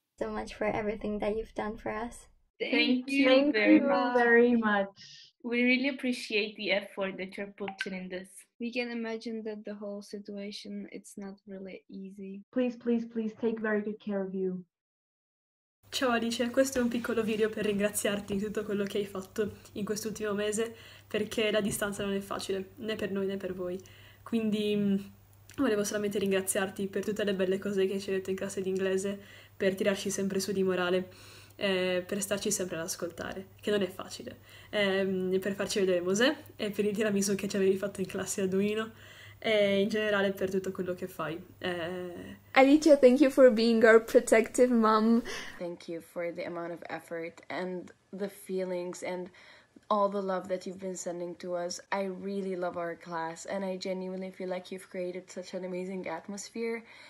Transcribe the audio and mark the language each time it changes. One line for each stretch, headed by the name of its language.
English: So much for everything that you've done for us. Thank you very much. We really appreciate the effort that you're putting in this. We can imagine that the whole situation, it's not really easy. Please, please, please take very good care of you.
Italian: Ciao Alice, questo è un piccolo video per ringraziarti di tutto quello che hai fatto in quest'ultimo mese, perché la distanza non è facile, né per noi né per voi. Quindi volevo solamente ringraziarti per tutte le belle cose che ci hai detto in classe d'inglese, per tirarci sempre su di morale, per starci sempre ad ascoltare, che non è facile, per farci vedere Mosè e per il tiramisù che ci avevi fatto in classe a Duino. In generale per tutto quello che fai.
English: Alicia, thank you for being our protective mom. Thank you for the amount of effort and the feelings and all the love that you've been sending to us. I really love our class, and I genuinely feel like you've created such an amazing atmosphere.